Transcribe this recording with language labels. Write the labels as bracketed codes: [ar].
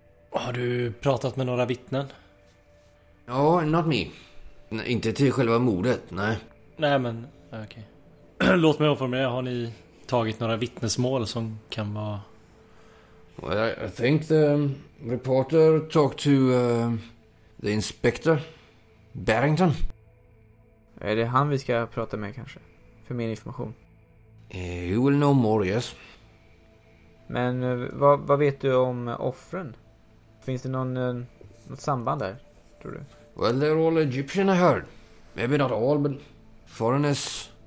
[sv] Har du pratat med några vittnen? [en] No, not me. [sv] Inte till själva mordet, nej. Nej, men okej. Okay. Låt mig informera, har ni tagit några vittnesmål som kan vara... [en] Well, I think the reporter talked to the inspector Barrington. [sv] Är det han vi ska prata med kanske? För mer information. [en] You will know more, yes. [sv] Men vad vet du om offren? Finns det något samband där, tror du? [en] Well, they're all Egyptian, I heard. Maybe not all, but foreigners.